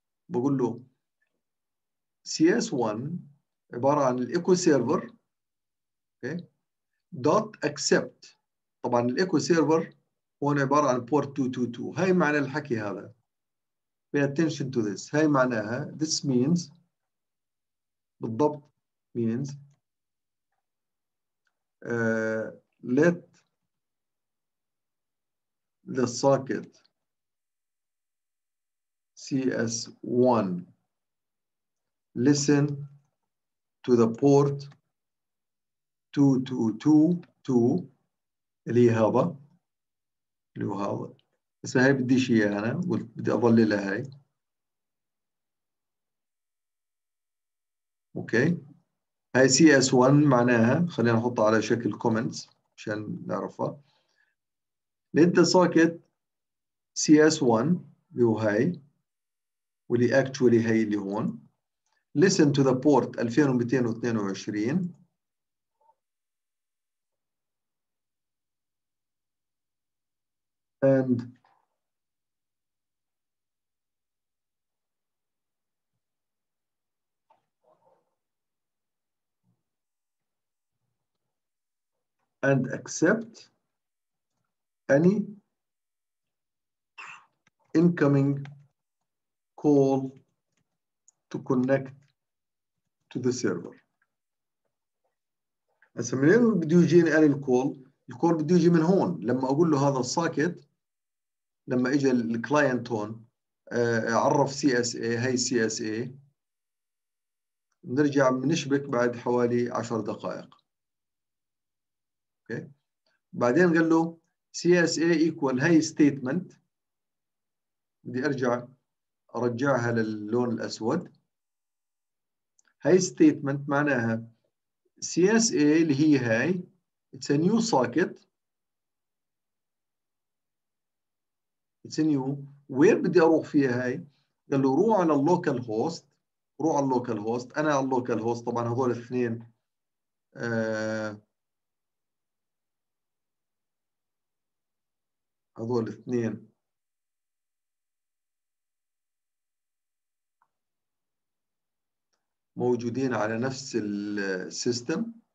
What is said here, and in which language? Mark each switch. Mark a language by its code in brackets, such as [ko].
[ar] بقول له CS1 عبارة عن الإيكو سيرفر دوت أكسبت. طبعا الإيكو سيرفر هون عبارة عن بورت 222. هاي معنى الحكي هذا [en] pay attention to this. [ar] هاي معناها [en] this means [ar] بالضبط [en] means let the socket CS1 listen to the port 2222 [ar] اللي هذا اللي هو هذا. بس هاي بدي شيء انا قلت بدي اضل لها هاي. اوكي هاي CS1 معناها خلينا نحطها على شكل comments عشان نعرفها. لأنت ساكت CS1 اللي هو هاي واللي actually هاي اللي هون [en] listen to the port 2222 and and accept any incoming call to connect to the server. [ar] بس منين بده يجيني انا الكول؟ الكول بده يجي من هون لما اقول له هذا الساكت لما اجى الكلاينت هون عرف سي اس اي هي سي اس اي بنرجع بنشبك بعد حوالي 10 دقائق. بعدين قال له CSA equal هاي statement بدي أرجع رجعها للون الأسود. هاي statement معناها CSA اللي هي هاي [en] it's a new socket. It's a new. [ar] وين بدي أروح فيها هاي؟ قال له روح على اللوكال هوست. روح على اللوكال هوست. أنا على اللوكال هوست. طبعا هذول الاثنين هذول الاثنين موجودين على نفس السيستم.